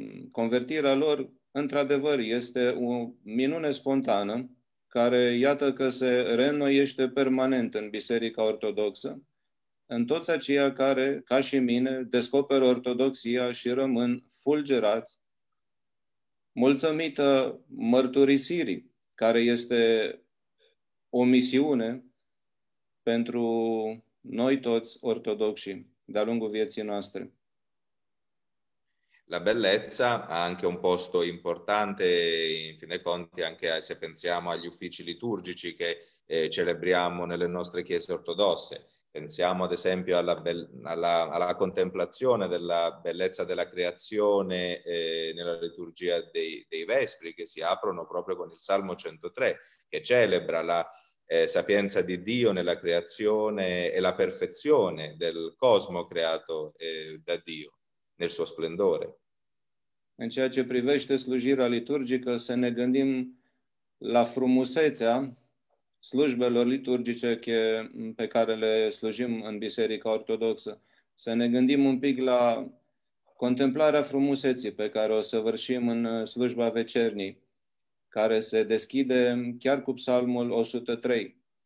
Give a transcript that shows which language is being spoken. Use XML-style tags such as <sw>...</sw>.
<ro>Convertirea lor, într-adevăr, este o minune spontană care iată că se reînnoiește permanent în Biserica Ortodoxă, în toți aceia care, ca și mine, descoperă Ortodoxia și rămân fulgerați, mulțumită mărturisirii, care este o misiune pentru noi toți ortodoxii de-a lungul vieții noastre.</ro> <it>La bellezza ha anche un posto importante, in fin dei conti, anche se pensiamo agli uffici liturgici che celebriamo nelle nostre chiese ortodosse. Pensiamo ad esempio alla contemplazione della bellezza della creazione nella liturgia dei Vespri, che si aprono proprio con il Salmo 103, che celebra la sapienza di Dio nella creazione e la perfezione del cosmo creato da Dio nel suo splendore.</it> <ro>În ceea ce privește slujirea liturgică, să ne gândim la frumusețea slujbelor liturgice pe care le slujim în Biserica Ortodoxă, să ne gândim un pic la contemplarea frumuseții pe care o săvârșim în slujba vecernii, care se deschide chiar cu Psalmul 103.</ro>